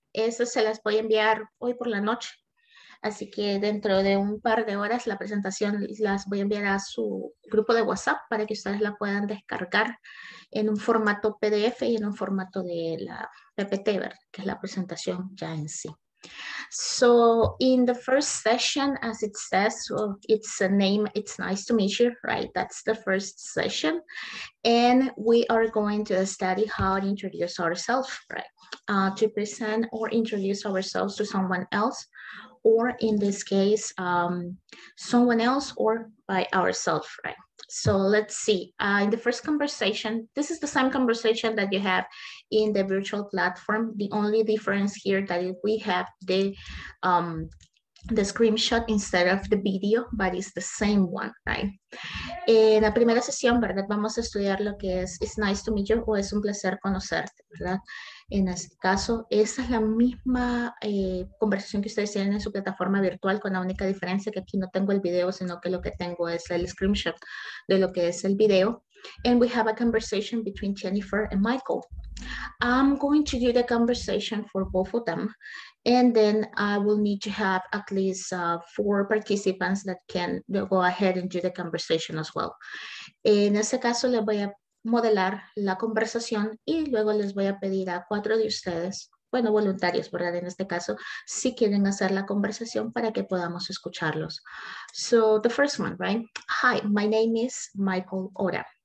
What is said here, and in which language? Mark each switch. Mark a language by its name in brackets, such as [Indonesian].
[Spanish] Eso se las voy a enviar hoy por la noche. Así que dentro de un par de horas la presentación las voy a enviar a su grupo de WhatsApp para que ustedes la puedan descargar en un formato PDF y en un formato de la PPT, que es la presentación ya en sí. [English] So, in the first session, as it says, well, it's a name, it's nice to meet you, right? That's the first session. And we are going to study how to introduce ourselves, right? To present or introduce ourselves to someone else, or in this case, someone else or by ourselves, right? So let's see, in the first conversation, this is the same conversation that you have in the virtual platform. The only difference here that we have the screenshot instead of the video, but it's the same one, right? [Spanish] En la primera sesión, ¿verdad? Vamos a estudiar lo que es, [English] it's nice to meet you, [Spanish] o es un placer conocerte, ¿verdad? En este caso, esa es la misma conversación que ustedes tienen en su plataforma virtual, con la única diferencia que aquí no tengo el video, sino que lo que tengo es el screenshot de lo que es el video. [English] And we have a conversation between Jennifer and Michael. I'm going to do the conversation for both of them. And then I will need to have at least four participants that can go ahead and do the conversation as well. [Spanish] En ese caso, le voy a modelar la conversación y luego les voy a pedir a cuatro de ustedes, bueno, voluntarios, ¿verdad? En este caso, si quieren hacer la conversación para que podamos escucharlos. [English] So the first one, right? Hi, my name is Michael Ora.